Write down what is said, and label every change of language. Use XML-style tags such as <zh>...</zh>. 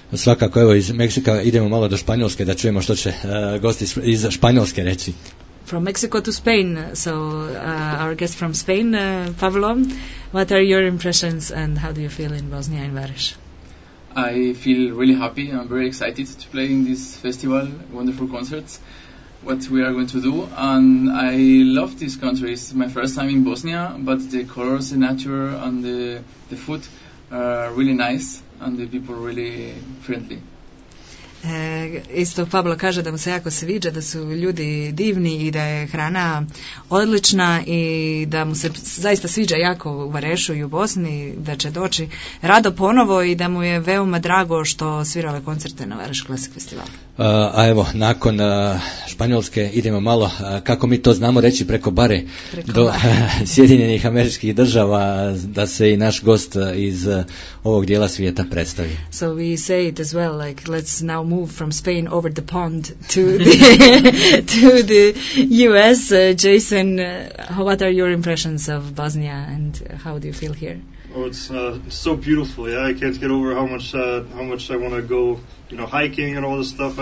<hr>Svakako, evo iz Meksika idemo malo do Španjolske da čujemo što će gosti iz Španjolske reći.</hr> <en>From Mexico to Spain, so our guest from Spain, Pavlo, what are your impressions and how do you feel in Bosnia and Varesh? I feel really happy. I'm very excited to play in this festival, wonderful concerts, what we are going to do. And I love this country. It's my first time in Bosnia, but the colors, the nature, and the food are really nice, and the people really friendly.</en> <hr>Isto Pablo kaže da mu se jako sviđa, da su ljudi divni i da je hrana odlična i da mu se zaista sviđa jako u Varešu i u Bosni, da će doći rado ponovo i da mu je veoma drago što svira ove koncerte na Varešu Classic Festival. A evo, nakon Španjolske idemo malo, kako mi to znamo reći, preko bare, do Sjedinjenih Američkih Država, da se i naš gost iz ovog dijela svijeta predstavi.</hr> <en>So we say it as well, like, let's now move from Spain over the pond to the, to the US. Jason, what are your impressions of Bosnia and how do you feel here? Oh, it's so beautiful. Yeah, I can't get over how much I want to go, you know, hiking and all this stuff.</en>